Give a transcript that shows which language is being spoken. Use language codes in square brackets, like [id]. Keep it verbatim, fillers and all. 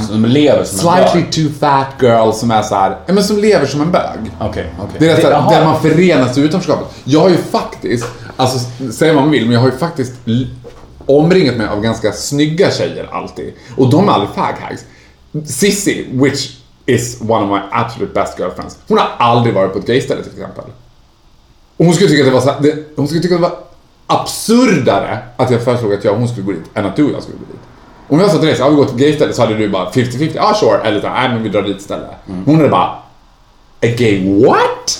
[sv] som lever som en [en] Slightly too fat girl [sv] som är så här, ja, men som lever som en bög. Okej, okej. Det är det, så här, Jaha. där man förenas i utanförskapet. Jag har ju faktiskt, alltså säger vad man vill, men jag har ju faktiskt l- omringat mig av ganska snygga tjejer alltid. Och de är aldrig faghags. [en] Sissy, which is one of my absolute best girlfriends. [sv] Hon har aldrig varit på ett gayställe till exempel. Och hon skulle tycka att det var så här, det, hon skulle tycka att det var absurdare att jag föreslog att jag och hon skulle gå dit än att du och jag skulle gå dit. Om jag sa till dig så här, "Ja, vi går till gayställe", så hade du bara fifty fifty, [en] ah sure, [sv] eller så här, nej men vi drar dit istället. Hon hade bara, [en] a gay what?